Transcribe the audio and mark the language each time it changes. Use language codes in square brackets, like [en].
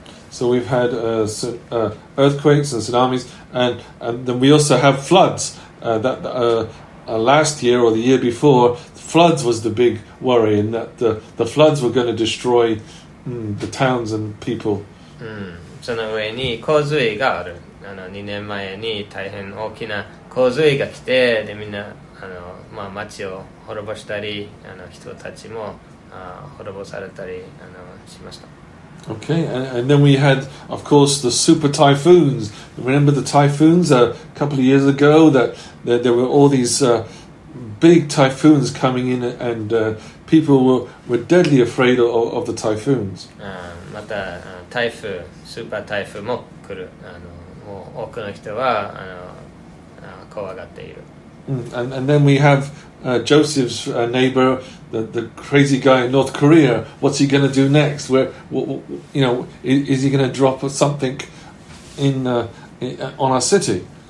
[en] So we've had earthquakes and tsunamis, and then we also have floods. Last year or the year before, floods was the big worry, and that the floods were going to destroy the towns and people. [ja] その上に洪水がある。 2年前に大変大きな洪水が来て、でみんな町を滅ぼしたり、人たちも滅ぼされたりしました。 [en] Okay, and then we had, of course, the super typhoons. Remember the typhoons a couple of years ago? That there were all these big typhoons coming in, and people were deadly afraid of the typhoons. [ja] また台風、スーパー台風も来る。もう多くの人は怖がっている。 [en] And then we have Joseph's neighbor, the crazy guy in North Korea. What's he going to do next? Is he going to drop something on our city?